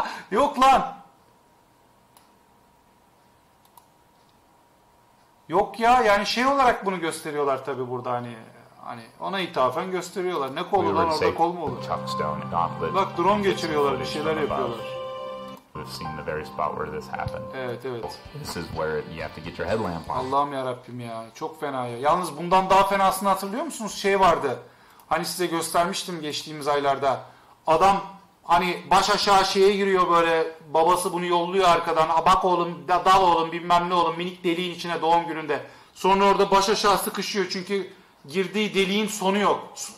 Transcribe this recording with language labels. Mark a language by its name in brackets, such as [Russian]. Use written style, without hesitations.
[Turkish] Yok lan. Yok ya, yani şey olarak bunu gösteriyorlar tabii burada, hani hani ona ithafen gösteriyorlar. Ne kolu lan orada, kol mu olur? Bak drone geçiriyorlar, bir şeyler yapıyorlar. [English] We've seen the very spot where this happened. [Turkish] Evet, evet. [English] This is where you have to get your headlamp on. [Turkish] Allah'ım yarabbim ya. Çok fena ya. Yalnız bundan daha fenasını hatırlıyor musunuz? Şey vardı. Hani size göstermiştim geçtiğimiz aylarda. Adam hani baş aşağı şeye giriyor böyle. Babası bunu yolluyor arkadan. Bak oğlum, dal oğlum, bilmem ne oğlum. Minik deliğin içine doğum gününde. Sonra orada baş aşağı sıkışıyor. Çünkü girdiği deliğin sonu yok.